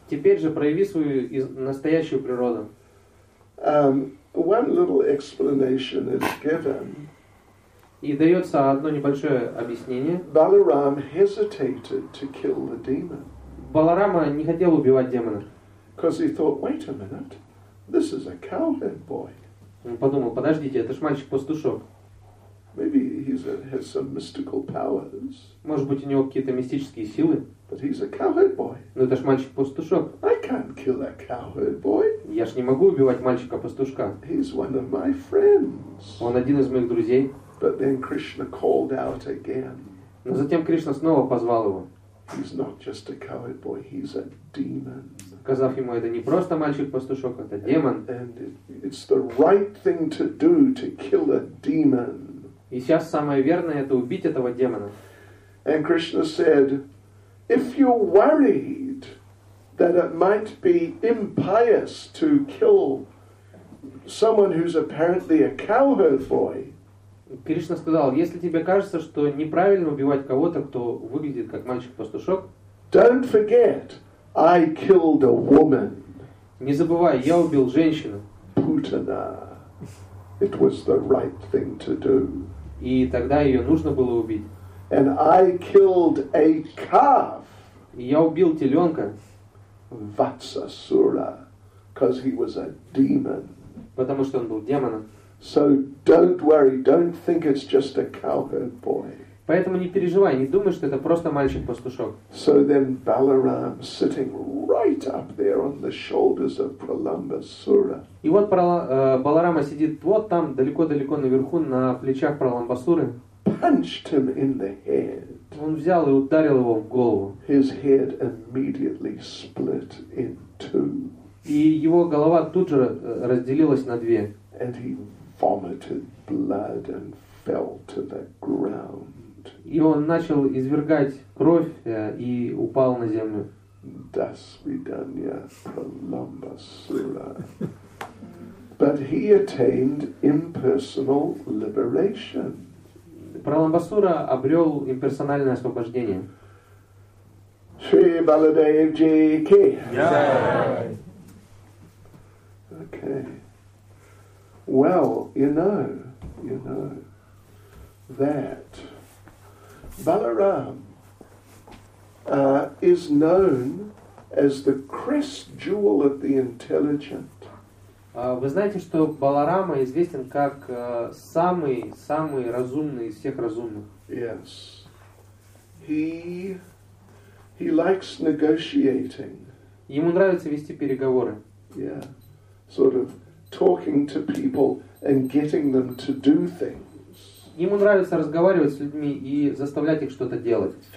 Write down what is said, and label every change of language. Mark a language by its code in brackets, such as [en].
[ru] Теперь же прояви свою настоящую природу. [en] One little explanation is given. [ru] И дается одно небольшое объяснение. [en] Balaram hesitated to kill the demon. [ru] Баларама не хотел убивать демона. [en] Because he thought, wait a minute, this is a cowherd boy. [ru] Он подумал, подождите, это ж мальчик-пастушок. [en] Maybe has some mystical powers. [ru] Может быть, у него какие-то мистические силы. [en] But he's a cowherd boy. [ru] Но это ж мальчик-пастушок. [en] I can't kill a cowherd boy. [ru] Я ж не могу убивать мальчика-пастушка. [en] He's one of my friends. [ru] Он один из моих друзей. [en] But then Krishna called out again. [ru] Но затем Кришна снова позвал его. [en] He's not just a cowherd boy, he's a demon. [ru] Сказав ему, это не просто мальчик-пастушок, это демон. [en] And it's the right thing to do to kill a demon. [ru] И сейчас самое верное, это убить этого демона. [en] And Krishna said, if you're worried that it might be impious to kill someone who's apparently a cowherd boy, [ru] Кришна сказал, если тебе кажется, что неправильно убивать кого-то, кто выглядит как мальчик-пастушок, [en] don't forget, I killed a woman. [ru] Не забывай, я убил женщину. [en] Путана. It was the right thing to do. [ru] И тогда ее нужно было убить. [en] And I killed a calf. [ru] И я убил теленка. [en] Vatsasura. Because he was a demon. [ru] Потому что он был демоном. [en] So don't worry, don't think it's just a cowherd boy. [ru] Поэтому не переживай, не думай, что это просто мальчик-пастушок. [en] So then Balaram sitting right up there on the shoulders of Pralambasura. [ru] И вот Баларама сидит вот там, далеко-далеко наверху, на плечах Праламбасуры. [en] Punched him in the head. [ru] Он взял и ударил его в голову. [en] His head immediately split in two. [ru] И его голова тут же разделилась на две. [en] And he vomited blood and fell to the ground. [ru] И он начал извергать кровь и упал на землю. До свидания, Праламбасура. [en] But he attained impersonal liberation. [ru] Праламбасура обрел имперсональное освобождение. [hi] Шри Баладев Джи Ки. [en] Okay. Well, you know, that Balaram is known as the crest jewel of the intelligent. [ru] Вы знаете, что Баларама известен как самый разумный из всех разумных. [en] Yes. He likes negotiating. [ru] Ему нравится вести переговоры. [en] Yeah. Sort of talking to people and getting them to do things. [ru] ему нравится разговаривать с людьми и заставлять их что-то делать.